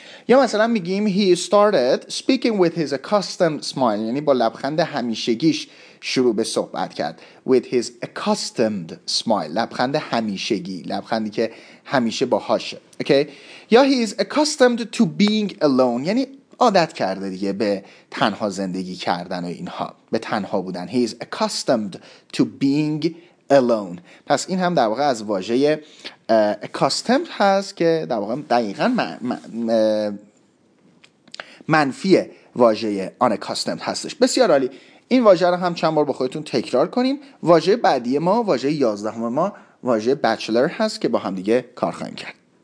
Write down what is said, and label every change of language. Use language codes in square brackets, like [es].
[fa] یا مثلا میگیم [en] he started speaking with his accustomed smile، [fa] یعنی با لبخند همیشگیش شروع به صحبت کرد. [en] With his accustomed smile، [fa] لبخند همیشگی، لبخندی که همیشه باهاشه. اوکی؟ یا [en] he is accustomed to being alone، [fa] یعنی عادت کرده دیگه به تنها زندگی کردن و اینها، به تنها بودن. [en] He is accustomed to being alone. [fa] پس این هم در واقع از واژه accustomed هست که در واقع دقیقا منفی واژه unaccustomed هستش. بسیار عالی، این واژه رو هم چند بار با خودتون تکرار کنین. واژه بعدی ما، واژه 11 ما، واژه bachelor هست که با هم دیگه کار خواهیم کرد.